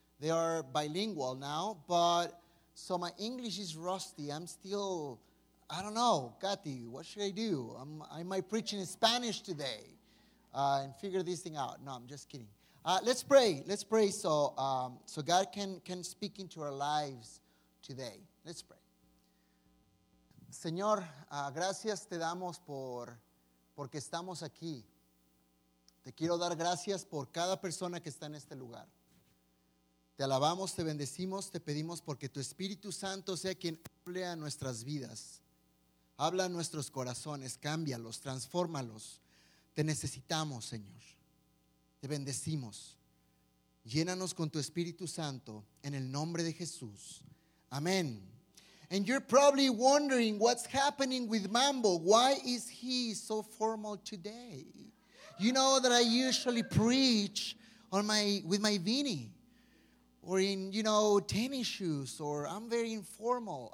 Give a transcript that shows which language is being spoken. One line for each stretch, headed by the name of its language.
English: They are bilingual now. But so my English is rusty. I'm still, I don't know, Katy, what should I do? I might preach in Spanish today and figure this thing out. No, I'm just kidding. Let's pray. Let's pray so God can speak into our lives today. Let's pray.
Spanish: Señor, gracias te damos porque estamos aquí. Te quiero dar gracias por cada persona que está en este lugar. Te alabamos, te bendecimos, te pedimos porque tu Espíritu Santo sea quien hable a nuestras vidas. Habla a nuestros corazones, cámbialos, transfórmalos. Te necesitamos, Señor. Te bendecimos. Llénanos con tu Espíritu Santo en el nombre de Jesús. Amén.
English: And you're probably wondering what's happening with Mambo. Why is he so formal today? You know that I usually preach with my beanie or in, you know, tennis shoes, or I'm very informal.